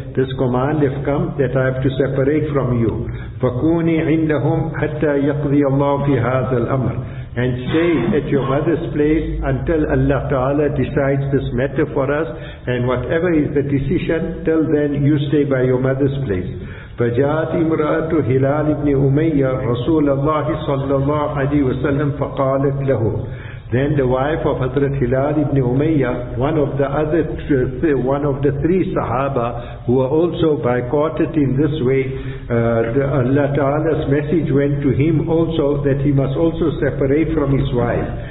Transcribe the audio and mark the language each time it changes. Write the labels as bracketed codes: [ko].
[en] This command has come that I have to separate from you. [ar] فَكُونِ عِنْدَهُمْ حَتَّى يَقْضِيَ اللَّهُ فِي هَذَا الْأَمْرِ. [en] And stay at your mother's place until Allah Ta'ala decides this matter for us, and whatever is the decision, till then you stay by your mother's place. [ar] فجاءت امرأة هلال بن أمية رسول الله صلى الله عليه وسلم فقالت له. [en] Then the wife of Hazrat Hilal ibn Umayyah, one of the three Sahaba who were also boycotted in this way, Allah Ta'ala's message went to him also that he must also separate from his wife.